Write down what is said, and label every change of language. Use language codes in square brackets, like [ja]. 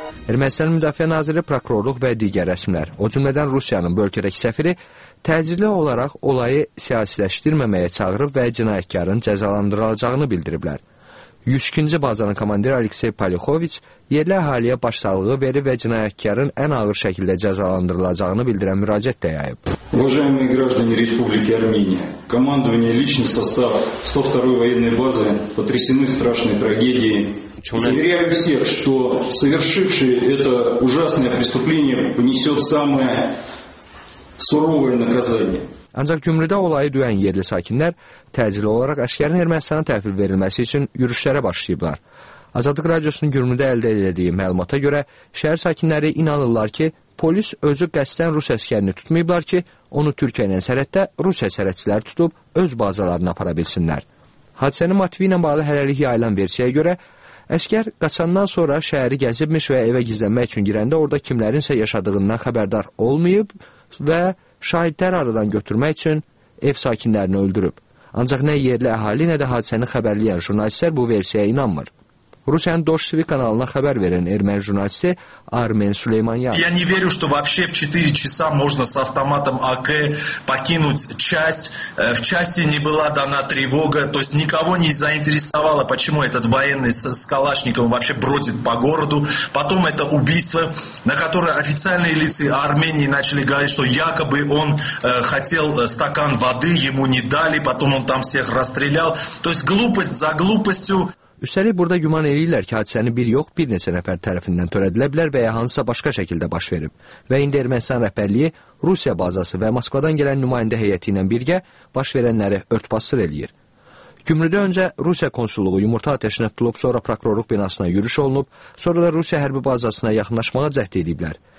[az] Ermənistanın Müdafiə Naziri, Prokurorluq və digər rəsmilər, o cümlədən Rusiyanın bölgədəki səfiri, təcili olaraq olayı siyasiləşdirməməyə çağırıb və cinayətkarın cəzalandırılacağını bildiriblər. 102-ci bazanın komandiri Aleksey Polixoviç yerli əhaliyə başsağlığı verib və cinayətkarın ən ağır şəkildə cəzalandırılacağını bildirən müraciət də yayıb. [ru] Уважаемые граждане Республики Армения, командование личный состав 102-й военной базы потрясены страшной трагедией. Заверяю всех, что совершивший это ужасное преступление понесет самое суровое наказание. [az] Ancaq Gümrüdə olayı duyan yerli sakinlər təcili olaraq əsgərin Ermənistana təhvil verilməsi üçün yürüşlərə başlayıblar. Azadlıq Radiosunun Gümrüdə əldə elədiyi məlumata görə şəhər sakinləri inanırlar ki, polis özü qəsdən Rus əsgərini tutmayıblar ki, onu Türkiyə ilə sərhəddə Rusiya sərhədçiləri tutub öz bazalarına apara bilsinlər. Hadisənin motivi ilə bağlı hələlik yayılan versiyə görə əsgər qaçandan sonra şəhəri gəzibmiş və evə gizlənmək üçün girəndə orada kimlərinsə yaşadığından xəbərdar olmayıb və şahidlər aradan götürmək üçün ev sakinlərini öldürüb. Ancaq nə yerli əhali, nə də hadisəni xəbərləyən jurnalistlər bu versiyaya inanmır. Rusiyanın Dosh TV kanalına xəbər verən erməni jurnalisti Armen Süleymanyan. [ru] Я не верю, что вообще в 4 часа можно с автоматом АК покинуть часть. В части не была дана тревога, то есть никого не заинтересовало, почему этот военный с калашником вообще бродит по городу. Потом это убийство, на которое официальные лица Армении начали говорить, что якобы он хотел стакан воды, ему не дали, потом он там всех расстрелял. То есть глупость за глупостью. [az] Üstəlik burada güman eləyirlər ki, hadisəni bir yox, bir neçə nəfər tərəfindən törədilə bilər və ya hansısa başqa şəkildə baş verib. Və indi Ermənistan rəhbərliyi Rusiya bazası və Moskvadan gələn nümayəndə heyəti ilə birgə baş verənləri örtbasır eləyir. Gümrüdə öncə Rusiya konsulluğu yumurta ateşinə tutulub, sonra prokurorluq binasına yürüş olunub, sonra da Rusiya hərbi bazasına yaxınlaşmağa cəhd ediblər.